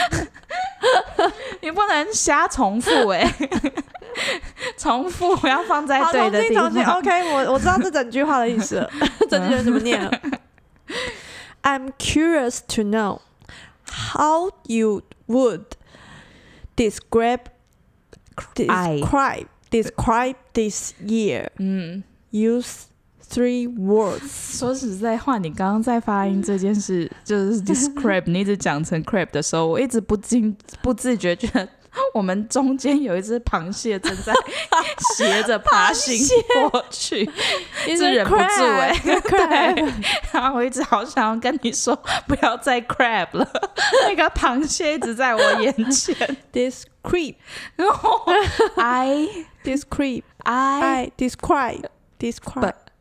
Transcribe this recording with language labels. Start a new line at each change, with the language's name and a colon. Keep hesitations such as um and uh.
Chinese: 你不能瞎重复哎、欸，重复我要放在对的地方。重新重新 OK，我我知道这整句话的意思了，整句怎么念了？
English: I'm curious to know how you would describe describe describe this year. 嗯，use Three words。
Chinese: 说实在话，你刚刚在发音这件事，就是 describe，你一直讲成 c r a b 的时候，我一直不禁不自觉觉得，我们中间有一只螃蟹正在斜着爬行过去，一 直忍不住哎、欸，对，然后我一直好想要跟你说，不要再 c r a b 了，那个螃蟹一直在我眼前，describe，然后 I describe I describe describe。